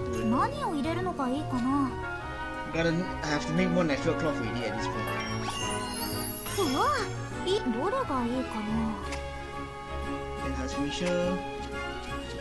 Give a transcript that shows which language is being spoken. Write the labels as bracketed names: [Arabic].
[Japanese] 何を入れるのがいいかな。 [English] Gotta have to make more natural cloth ready at this point. [Japanese] うわ、どれがいいかな。エンハンスミッション。